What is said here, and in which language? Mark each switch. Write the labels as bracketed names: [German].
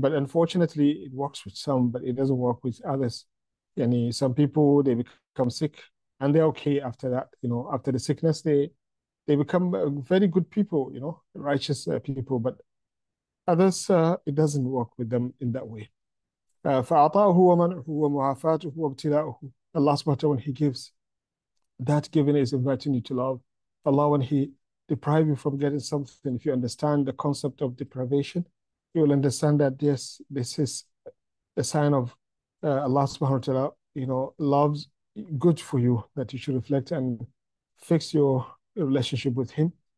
[English] But unfortunately, it works with some, but it doesn't work with others. Yani, some people, they become sick and they're okay after that. You know, after the sickness, they become very good people, you know, righteous people. But others, it doesn't work with them in that way. [Arabic] فأعطاه ومنعه ومعافاته وابتلاؤه. [English] Allah subhanahu wa ta'ala, when he gives, that giving is inviting you to love. Allah, when he deprives you from getting something, if you understand the concept of deprivation, you will understand that yes, this is a sign of Allah subhanahu wa ta'ala, you know, loves good for you, that you should reflect and fix your relationship with him.